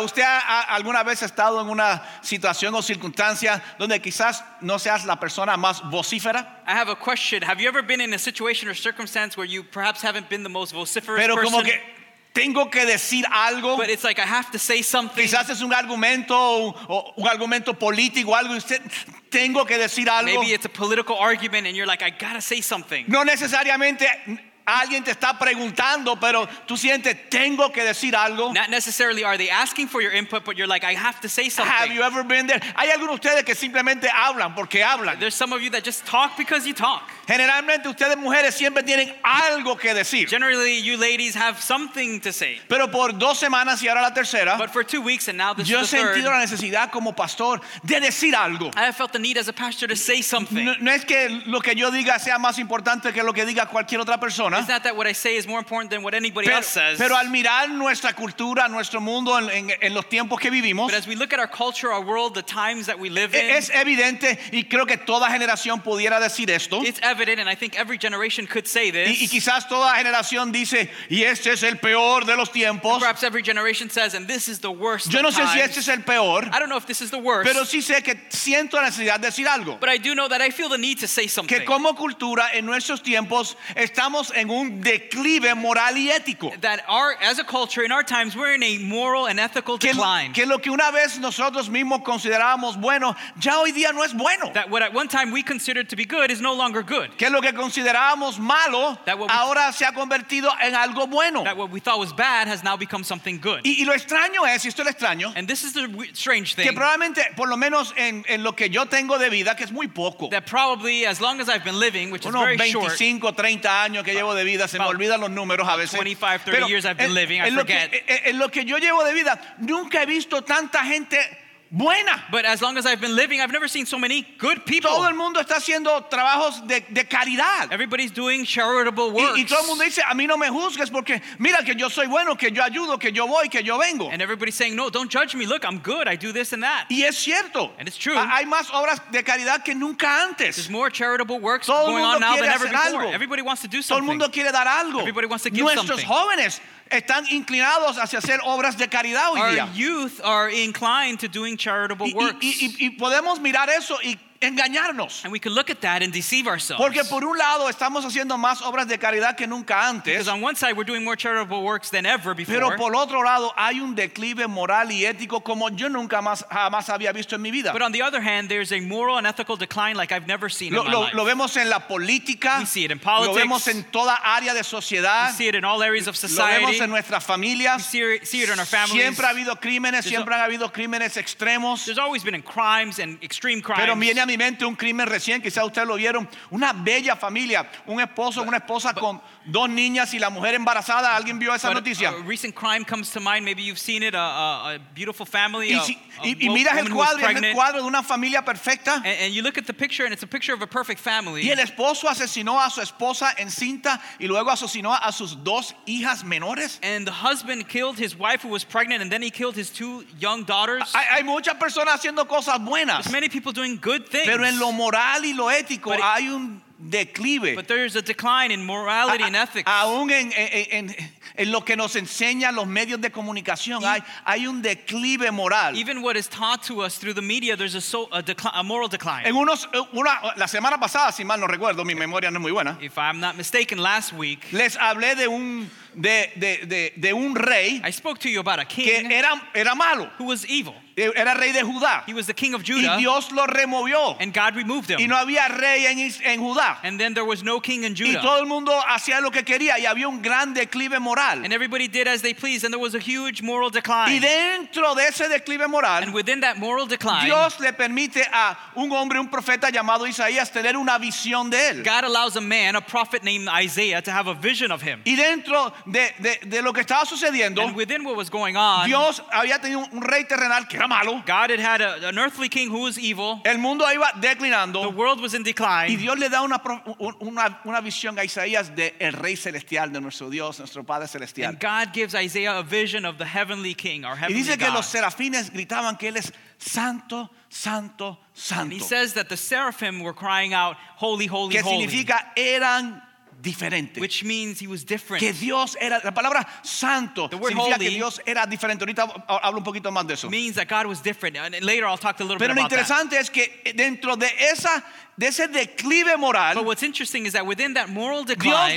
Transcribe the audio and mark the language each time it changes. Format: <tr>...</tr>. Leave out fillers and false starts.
<es>¿Usted ha alguna vez estado en una situación o circunstancia donde quizás no seas la persona más vocífera?</es> <en>I have a question. Have you ever been in a situation or circumstance where you perhaps haven't been the most vociferous person?</en> <es>Pero como que tengo que decir algo.</es> <en>But it's like I have to say something.</en> <es>Quizás es un argumento o un argumento político o algo y usted tengo que decir algo.</es> <en>Maybe it's a political argument and you're like, I gotta say something.</en> <es>No necesariamente alguien te está preguntando, pero tú sientes tengo que decir algo.</es> <en>Not necessarily are they asking for your input, but you're like, I have to say something. Have you ever been there?</en> <es>Hay algunos de ustedes que simplemente hablan porque hablan.</es> <en>There's some of you that just talk because you talk.</en> <es>Generalmente ustedes mujeres siempre tienen algo que decir.</es> <en>Generally you ladies have something to say.</en> <es>Pero por dos semanas y ahora la tercera.</es> <en>But for 2 weeks and now this is the third.</en> <es>Yo he sentido la necesidad como pastor de decir algo.</es> <en>I have felt the need as a pastor to say something.</en> <es>No es que lo que yo diga sea más importante que lo que diga cualquier otra persona.</es> <en>It's not that what I say is more important than what anybody else says.</en> <es>Pero al mirar nuestra cultura, nuestro mundo en los tiempos que vivimos,</es> <en>but as we look at our culture, our world, the times that we live in,</en> <es>es evidente y creo que toda generación pudiera decir esto.</es> <en>It's evident and I think every generation could say this.</en> <es>Y quizás toda generación dice, y este es el peor de los tiempos.</es> <en>And perhaps every generation says, and this is the worst.</en> <es>Yo no</es> <en>of</en> <es>sé</es> <en>times.</en> <es>Si este es el peor.</es> <en>I don't know if this is the worst.</en> <es>Pero sí sé que siento la necesidad de decir algo.</es> <en>But I do know that I feel the need to say something.</en> <es>Que como cultura en nuestros tiempos estamos en un declive moral y ético.</es> <en>That our, as a culture, in our times, we're in a moral and ethical decline.</en> <es>Que lo que una vez nosotros mismos considerábamos bueno, ya hoy día no es bueno.</es> <en>That what at one time we considered to be good is no longer good.</en> <es>Que lo que considerábamos malo, ahora se ha convertido en algo bueno.</es> <en>That what we thought was bad has now become something good.</en> <es>Y lo extraño es, y esto es lo extraño,</es> <en>and this is the strange thing,</en> <es>que probablemente, por lo menos en lo que yo tengo de vida, que es muy poco,</es> <en>that probably, as long as I've been living, which is very 25, short,</en> <es>25, 30 años que llevo de vida, se me olvidan los números a veces.</es> <en>25, 30 years I've been living, I forget.</en> <es>En lo que yo llevo de vida, nunca he visto tanta gente buena.</es> <en>But as long as I've been living, I've never seen so many good people.</en> <es>Todo el mundo está haciendo trabajos de caridad.</es> <en>Everybody's doing charitable works.</en> <es>Y todo el mundo dice, a mí no me juzgues porque mira que yo soy bueno, que yo ayudo, que yo voy, que yo vengo.</es> <en>And everybody's saying, no, don't judge me. Look, I'm good. I do this and that.</en> <es>Y es cierto.</es> <en>And it's true.</en> <es>Hay más obras de caridad que nunca antes.</es> <en>There's more charitable works going on now than ever before. Everybody wants to do something.</en> <es>Todo el mundo quiere dar algo.</es> <en>Everybody wants to give something.</en> <es>Nuestros jóvenes están inclinados hacia hacer obras de caridad hoy día.</es> <en>Our youth are inclined to doing charitable works.</en> <es>Y podemos mirar eso y engañarnos.</es> <en>And we can look at that and deceive ourselves.</en> <es>Porque por un lado estamos haciendo más obras de caridad que nunca antes.</es> <en>Because on one side we're doing more charitable works than ever before.</en> <es>Pero por otro lado hay un declive moral y ético como yo nunca más jamás había visto en mi vida.</es> <en>But on the other hand, there's a moral and ethical decline like I've never seen</en> <es>lo,</es> <en>in my life.</en> <es>Lo vemos en la política.</es> <en>We see it in politics.</en> <es>Lo vemos en toda área de sociedad.</es> <en>We see it in all areas of society.</en> <es>Lo vemos en nuestras familias.</es> <en>We see it in our families.</en> <es>Siempre ha habido crímenes.</es> <en>There's</en> <es>siempre han habido crímenes extremos.</es> <en>There's always been crimes and extreme crimes.</en> <es>Pero viene a mi mente un crimen recién, quizás ustedes lo vieron, una bella familia, un esposo, una esposa con dos niñas y la mujer embarazada, ¿alguien vio esa noticia?</es> <en>A recent crime comes to mind, maybe you've seen it, a beautiful family,</en> <es>y miras el cuadro, es el cuadro de una familia perfecta,</es> <en>and you look at the picture and it's a picture of a perfect family,</en> <es>y el esposo asesinó a su esposa en cinta y luego asesinó a sus dos hijas menores,</es> <en>and the husband killed his wife who was pregnant and then he killed his two young daughters.</en> <es>Hay muchas personas haciendo cosas buenas.</es> <en>There's many people doing good things.</en> <es>Pero en lo moral y lo ético hay un declive.</es> <en>But there is a decline in morality and ethics.</en> <es>Aún en lo que nos enseñan los medios de comunicación hay un declive moral.</es> <en>Even what is taught to us through the media, there's a moral decline.</en> <es>En la semana pasada, si mal no recuerdo, mi memoria no es muy buena.</es> <en>If I'm not mistaken, last week,</en> <es>les hablé de un rey.</es> <en>I spoke to you about a king</en> <es>que era malo.</es> <en>Who was evil.</en> <es>Era rey de Judá.</es> <en>He was the king of Judah.</en> <es>Y Dios lo removió.</es> <en>And God removed him.</en> <es>Y no había rey en Judá.</es> <en>And then there was no king in Judah.</en> <es>Y todo el mundo hacía lo que quería y había un gran declive moral.</es> <en>And everybody did as they pleased and there was a huge moral decline.</en> <es>Y dentro de ese declive moral,</es> <en>and within that moral decline,</en> <es>Dios le permite a un hombre, un profeta llamado Isaías, tener una visión de él.</es> <en>God allows a man, a prophet named Isaiah, to have a vision of him.</en> <es>Y dentro de lo que estaba sucediendo,</es> <en>and within what was going on,</en> <es>Dios había tenido un rey terrenal que</es> <en>God had had an earthly king who was evil.</en> <es>El mundo iba declinando.</es> <en>The world was in decline.</en> <es>Y Dios le da una visión a Isaías de el rey celestial de nuestro Dios, nuestro Padre celestial.</es> <en>And God gives Isaiah a vision of the heavenly king, our heavenly God.</en> <es>Y dice</es> <en>God.</en> <es>Que los serafines gritaban que él es santo, santo, santo.</es> <en>And he says that the seraphim were crying out, holy, holy, holy.</en> <es>Que significa eran diferente.</es> <en>Which means he was different.</en> <es>Que Dios era, la palabra santo,</es> <en>the word</en> <es>significa</es> <en>holy,</en> <es>que Dios era diferente. Ahorita hablo un poquito más de eso.</es> <en>Means that God was different. And later I'll talk a little</en> <es>pero</es> <en>bit about</en> <es>lo interesante</es> <en>that.</en> <es>Es que dentro de esa de ese declive moral,</es> <en>but what's interesting is that within that moral decline,</en>